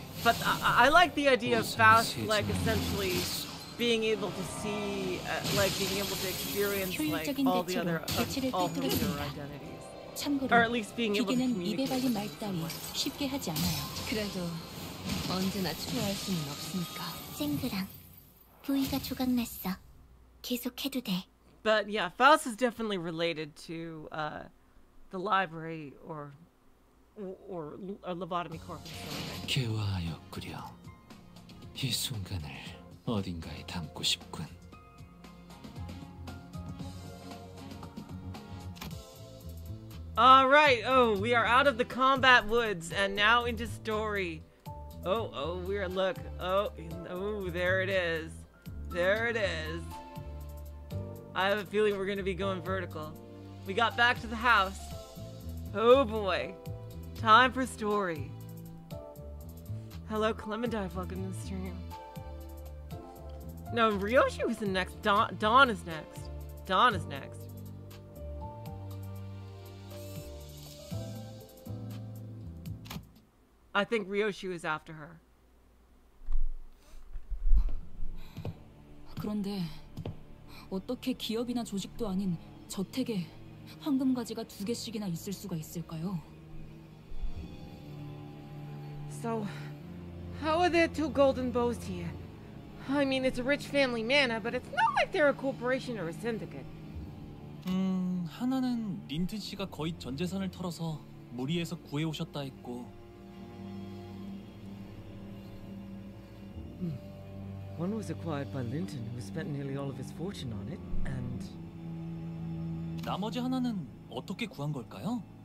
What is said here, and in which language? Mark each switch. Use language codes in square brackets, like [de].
[en] But I like the idea of Faust like essentially being able to see, like being able to experience like all the other alternative identities. [ko] 참고로 [en] or at least being [ko] 기계는 입에 발린 말 따위 쉽게 하지 않아요. 그래도 언제나 추구할 수는 없으니까. 생그랑 부위가 조각났어. 계속 해도 돼. [en] But yeah, Faust is definitely related to the library or lobotomy corps. [ko] 개와 역구려 이 순간을 어딘가에 담고 싶군. 알라이트! [en] 오, we are out of the combat woods and now into story. There it is. I have a feeling we're gonna be going vertical. We got back to the house. Oh boy. Time for story. Hello, Clementine, welcome to the stream. No, Ryoshi was the next. Dawn is next. Dawn is next. I think Ryoshi was after her. [ko] 그런데 어떻게 기업이나 조직도 아닌 저택에 황금 가지가 두 개씩이나 있을 수가 있을까요? [en] So, how are there two golden bows here? I mean, it's a rich family manor, but it's not like they're a corporation or a syndicate. [ko] 하나는 린튼 씨가 거의 전 재산을 털어서 무리해서 구해 오셨다 했고. [en] 1 was acquired by Linton, who spent nearly all of his fortune on it, and... [ko] 나머지 하나는 어떻게 구한 걸까요?